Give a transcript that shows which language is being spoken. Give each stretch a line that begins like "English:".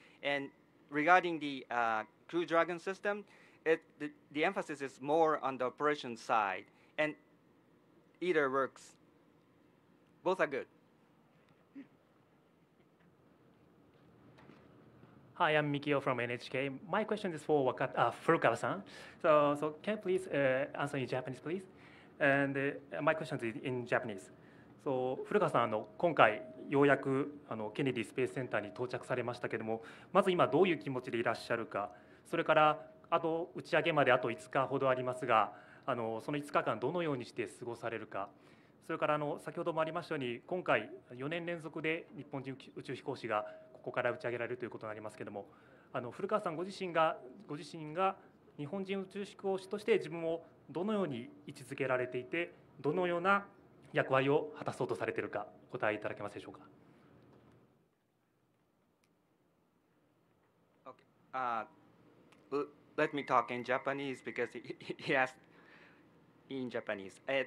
English: And regarding the Crew Dragon system, the emphasis is more on the operation side, and either works. Both are good. Hi, I'm Mikio from NHK. My question is for Furukawa-san. So can you please answer in Japanese, please? And my question is in Japanese.
Japanese: So, Furukawa-san, 今回 ようやく Kennedy Space Center に到着されましたけれども、 まず今どういう気持ちでいらっしゃるか、 それからあと打ち上げまであと 5日 ほどありますが、 その 5日間 どのようにして過ごされるか、 それから先ほどもありましたように、 今回 4年 連続で 日本人 宇宙飛行士が ここから打ち上げられるということになりますけれども、 古川さん ご自身が日本人宇宙飛行士として自分をどのように位置づけられていて、 どのような役割を果たそうとされているか、 お答えいただけますでしょうか。
English: Let me talk in Japanese because he asked in Japanese.